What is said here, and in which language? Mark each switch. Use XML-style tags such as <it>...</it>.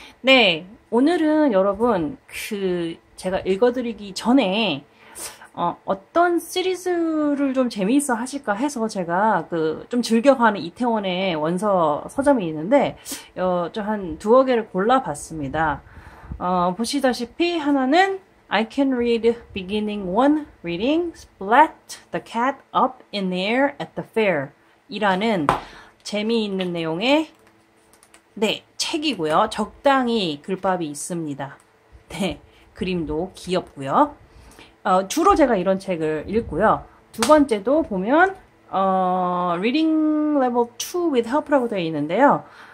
<ko>네, 오늘은 여러분, 제가 읽어드리기 전에, 어떤 시리즈를 좀 재미있어 하실까 해서 제가 좀 즐겨가는 이태원의 원서 서점이 있는데, 한 두어 개를 골라봤습니다. 보시다시피 하나는,</ko> <en>I can read beginning one reading, Splat the cat up in the air at the fair.</en> <ko>이라는 재미있는 내용의 네, 책이고요. 적당히 글밥이 있습니다. 네, 그림도 귀엽고요. 주로 제가 이런 책을 읽고요. 두 번째도 보면 Reading Level 2 with Help라고 되어 있는데요.</ko>